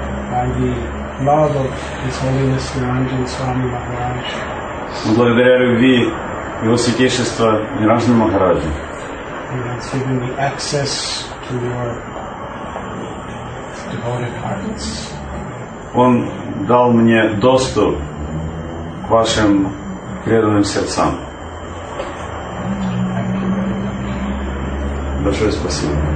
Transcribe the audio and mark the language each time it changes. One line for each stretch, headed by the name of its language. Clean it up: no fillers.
English: By the love of His Holiness Niranjan Swami Maharaj.
Russian: Благодаря любви Его Святейшества Ниранджана Махараджа.
English: He has given me access to your devoted hearts.
Russian: Он дал мне доступ к вашим преданным сердцам. Большое спасибо.